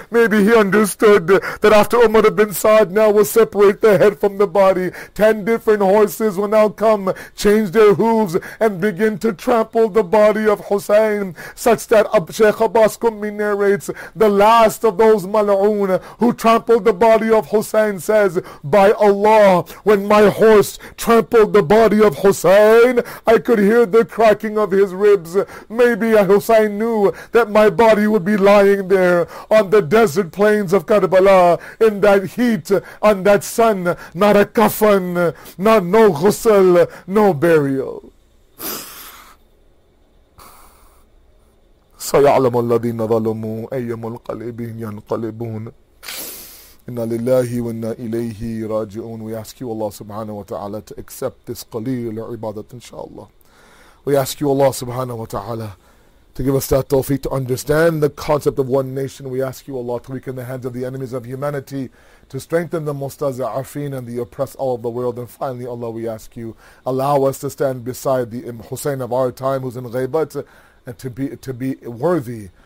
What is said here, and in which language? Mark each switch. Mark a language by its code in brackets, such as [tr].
[en] Maybe he understood that after Umar ibn Sa'd now will separate the head from the body, 10 different horses will now come, change their hooves, and begin to trample the body of Hussein, such that Sheikh Abbas Qummi narrates, the last of those mal'oon who trampled the body of Hussein says, by Allah, when my horse trampled the body of Hussein, I could hear the cracking of his ribs. Maybe Hussein knew that my body would be lying there on the desert plains of Karbala in that heat, on that sun, not a kafan, not no ghusl, no burial. [ar] سيعلم الذين ظلموا أي منقلب ينقلبون إن لله وإنا إليه راجعون. [en] We ask you, Allah subhanahu wa ta'ala, to accept this qaleel ibadat, inshallah. We ask you, Allah subhanahu wa ta'ala, to give us that tawfiq to understand the concept of one nation. We ask you, Allah, to weaken the hands of the enemies of humanity, to strengthen the mustaza'afin and the oppressed all of the world. And finally, Allah, we ask you, allow us to stand beside the Hussein of our time who's in ghaybat, and to be worthy